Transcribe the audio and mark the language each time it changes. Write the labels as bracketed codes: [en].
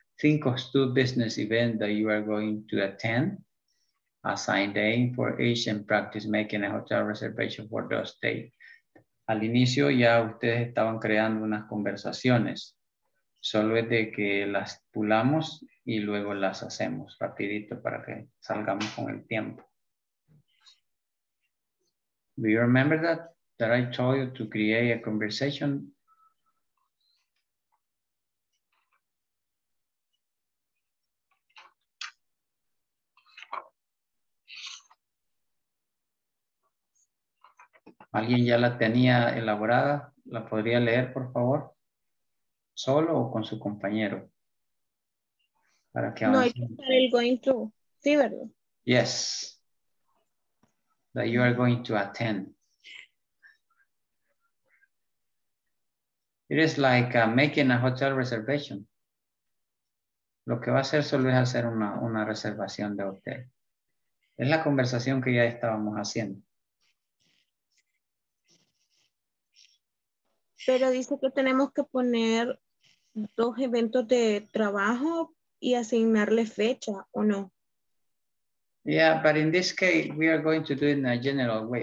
[en] Think of 2 business events that you are going to attend. Assign day for each and practice making a hotel reservation for those days. [es] Al inicio ya ustedes estaban creando unas conversaciones. Solo es de que las pulamos y luego las hacemos rapidito para que salgamos con el tiempo. [en] Do you remember that? That I told you to create a conversation. [es] ¿Alguien ya la tenía elaborada? ¿La podría leer, por favor? solo o con su compañero? Para que avance. No, hay que estar el going to. Sí, ¿verdad? [en] Yes. That you are going to attend. It is like making a hotel reservation. [es] Lo que va a hacer solo es hacer una reservación de hotel. Es la conversación que ya estábamos haciendo. Pero dice que tenemos que poner dos eventos de trabajo y asignarle fecha, ¿o no? [en] Yeah, but in this case, we are going to do it in a general way.